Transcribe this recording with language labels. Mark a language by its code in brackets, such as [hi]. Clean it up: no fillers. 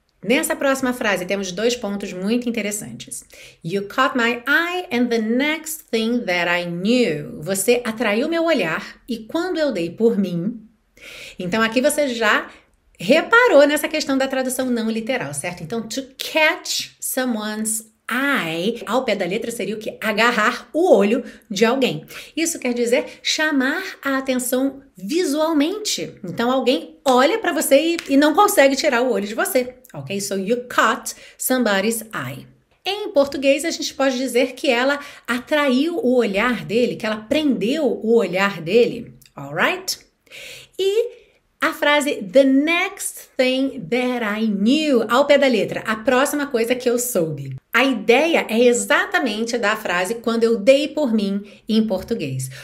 [pt] Nessa próxima frase, temos dois pontos muito interessantes. [en] You caught my eye and the next thing that I knew. [pt] Você atraiu meu olhar e quando eu dei por mim. Então, aqui você já reparou nessa questão da tradução não literal, certo? Então, [en] to catch someone's eye, [pt] ao pé da letra, seria o quê? Agarrar o olho de alguém. Isso quer dizer chamar a atenção visualmente. Então, alguém olha para você e não consegue tirar o olho de você. Ok? [en] So you caught somebody's eye. [pt] Em português, a gente pode dizer que ela atraiu o olhar dele, que ela prendeu o olhar dele. [en] Alright? [pt] E a frase [en] the next thing that I knew. [pt] Ao pé da letra, a próxima coisa que eu soube. A ideia é exatamente da frase quando eu dei por mim em português.